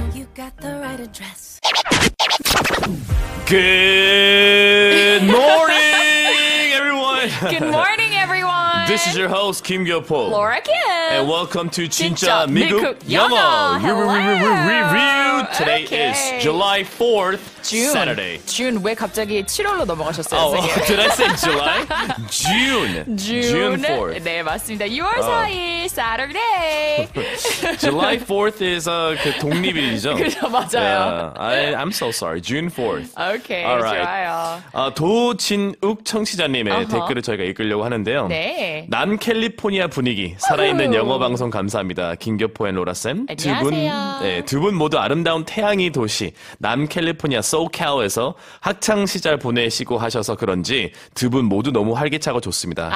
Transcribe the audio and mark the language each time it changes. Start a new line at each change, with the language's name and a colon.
English: You got the right address. Good morning, everyone. Good morning, everyone. This is your host Kim Gyo-po, Laura Kim, and welcome to 진짜 미국 영어. Review. Today is July 4th, Saturday. June.
Korean: 왜 갑자기 7월로 넘어가셨어요?
English: Did I say July? June. June 4th.
Korean: 네, 맞습니다. 6월 4일,
English: Saturday. July 4th is
Korean: 그 독립일이죠. 그렇죠, 맞아요.
English: Yeah. I'm so sorry. June 4th. Okay. All right.
Korean: 좋아요. 도진욱 청취자님의 댓글을 저희가 읽으려고 하는데요. 네. 남 캘리포니아 분위기 살아있는 영어 방송 감사합니다. 김교포 앤 로라 쌤. 두 분 모두 아름다운 태양의 도시 남 캘리포니아 소카오에서 학창 시절 보내시고 하셔서 그런지 두 분 모두 너무 활기차고 좋습니다.